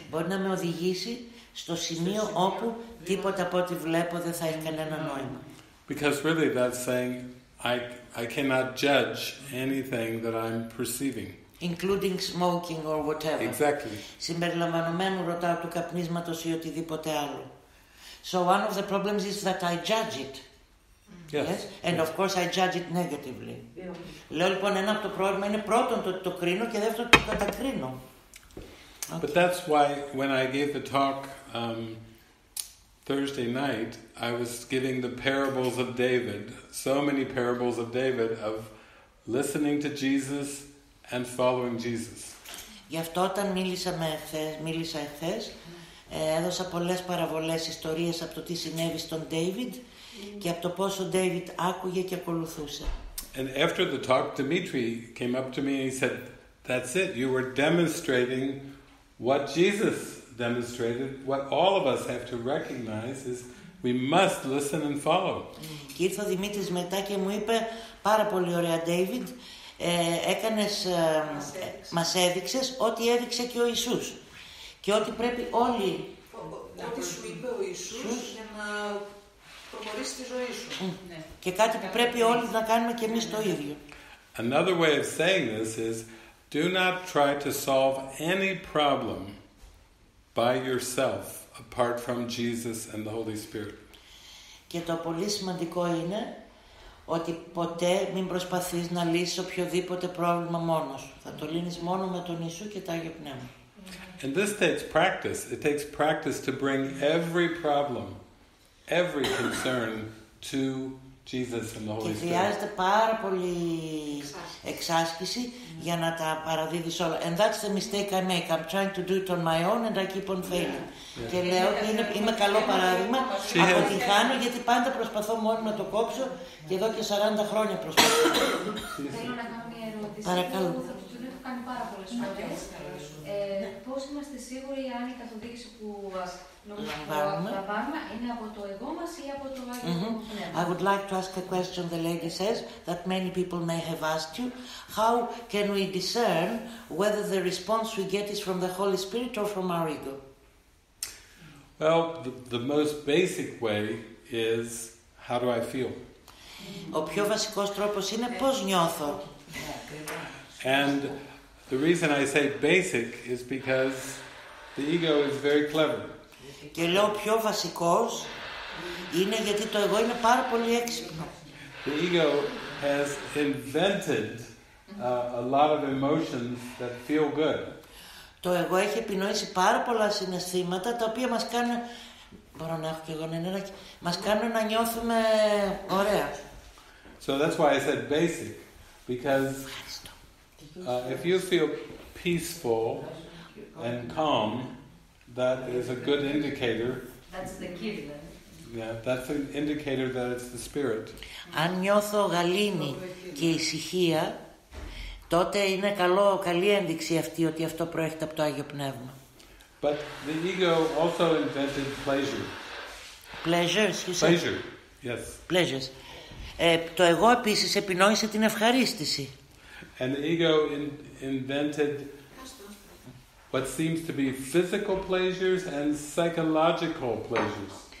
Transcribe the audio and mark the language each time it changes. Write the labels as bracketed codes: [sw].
[el] Μπορεί να με οδηγήσει στο σημείο όπου τίποτα από ό,τι βλέπω δεν θα έχει κανένα νόημα. [en] Because really that's saying I cannot judge anything that I'm perceiving. Including smoking or whatever. Exactly. [el] Συμπεριλαμβανομένου ρωτάω του καπνίσματος ή οτιδήποτε άλλο. [en] So one of the problems is that I judge it. Yes. And of course I judge it negatively. [el] Λέω λοιπόν ένα από το πρόβλημα είναι πρώτον το ότι το κρίνω και δεύτερον το κατακρίνω. [en] But that's why when I gave the talk Thursday night, I was giving the parables of David, so many parables of David, of listening to Jesus and following Jesus. [el] Γι' αυτό όταν μίλησα εχθές, έδωσα πολλές παραβολές, ιστορίες από το τι συνέβη στον David και από το πόσο David άκουγε και ακολουθούσε. [en] And after the talk, Dimitri came up to me and he said, that's it, you were demonstrating what Jesus demonstrated, what all of us have to recognize is we must listen and follow. [el] Και ήρθε ο Δημήτρης μετά και μου είπε, πάρα πολύ ωραία, David, έκανες, μας έδειξες ό,τι έδειξε και ο Ιησούς και ό,τι πρέπει όλοι ό,τι σου είπε ο Ιησούς για να προχωρήσει τη ζωή σου. Και κάτι που πρέπει όλοι να κάνουμε και εμείς το ίδιο. [en] Another way of saying this is, do not try to solve any problem by yourself apart from Jesus and the Holy Spirit. [el] Και το πολύ σημαντικό είναι ότι ποτέ μην προσπαθείς να λύσεις οποιοδήποτε πρόβλημα μόνος. Θα το λύνεις μόνο με τον Ιησού και το Άγιο Πνεύμα. [en] And this takes practice. It takes practice to bring every problem, every concern to Jesus and the Holy Spirit. [el] Και χρειάζεται πάρα πολύ εξάσκηση για να τα παραδίδεις όλα. [en] And that's the mistake I make. I'm trying to do it on my own and I keep on failing. Yeah. Yeah. [el] Και λέω, είμαι καλό παράδειγμα, αποτυχάνω γιατί πάντα προσπαθώ μόνο να το κόψω και εδώ και 40 χρόνια προσπαθώ. Θέλω να κάνω μια ερώτηση. Παρακαλώ. Κάνει πάρα πολλές φορές. Πώς είμαστε σίγουροι αν η καθοδήγηση που λαμβάνουμε είναι από το εγώ μας ή από το Άγιο Πνεύμα? [en] I would like to ask a question, the lady says, that many people may have asked you. How can we discern whether the response we get is from the Holy Spirit or from our ego? Well, the most basic way is, how do I feel? [el] Ο πιο βασικός τρόπος είναι πώς νιώθω. [en] And the reason I say basic is because the ego is very clever. [el] Και λέω πιο βασικός είναι γιατί το εγώ είναι πάρα πολύ έξυπνο. [en] The ego has invented a lot of emotions that feel good. [el] Το εγώ έχει επινοήσει πάρα πολλά συναισθήματα τα οποία μας κάνουν, μπορώ να έχω και εγώ ένα, μας κάνουν να νιώθουμε ωραία. [en] So that's why I said basic, because if you feel peaceful and calm, that is a good indicator. That's the key then. Yeah, that's an indicator that it's the spirit. [el] Αν νιώθω γαλήνη και ησυχία, τότε είναι καλή ένδειξη αυτή ότι αυτό προέρχεται από το Άγιο Πνεύμα. [en] But the ego also invented pleasure. Pleasures, you said? Pleasure, yes. Pleasures. [el] Το εγώ επίσης επινόησε την ευχαρίστηση. [en] And the ego invented what seems to be physical pleasures and psychological pleasures.